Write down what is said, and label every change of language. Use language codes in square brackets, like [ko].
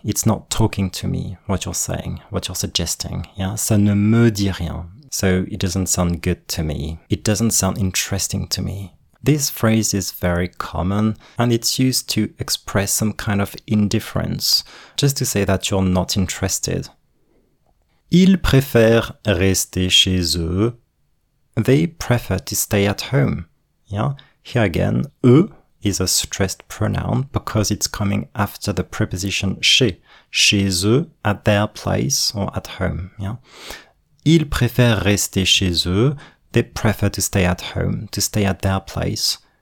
[en] It's not talking to me, what you're saying, what you're suggesting, yeah. [fr] Ça ne me dit rien, [en] so it doesn't sound good to me. It doesn't sound interesting to me. This phrase is very common, and it's used to express some kind of indifference, just to say that you're not interested. [fr] Ils préfèrent rester chez eux. [en] They prefer to stay at home. Yeah. Here again, eux is a stressed pronoun because it's coming after the preposition chez. [fr] Chez eux, [en] at their place or at home. Yeah. [fr] Ils préfèrent rester chez eux. [en] They prefer to stay at home, to stay at their place.